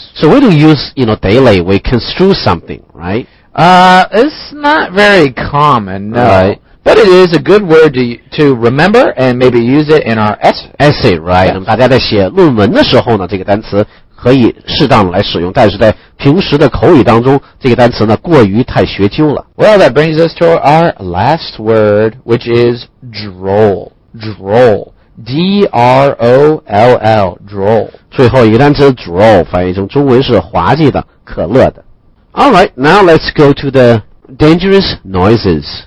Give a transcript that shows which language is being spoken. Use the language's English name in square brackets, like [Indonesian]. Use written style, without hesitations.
[English] So we do use, you know, daily, we construe something, right? It's not very common, no. Right. But it is a good word to remember and maybe use it in our essay, right? [Chinese] 大家在写论文的时候呢，这个单词可以适当来使用，但是在平时的口语当中，这个单词呢过于太学究了。 [English] Well, that brings us to our last word, which is droll. Droll. D-R-O-L-L. Droll. [Chinese] 最后一个单词 droll 翻译成中文是滑稽的、可乐的。 [English] Alright, now let's go to the dangerous noises.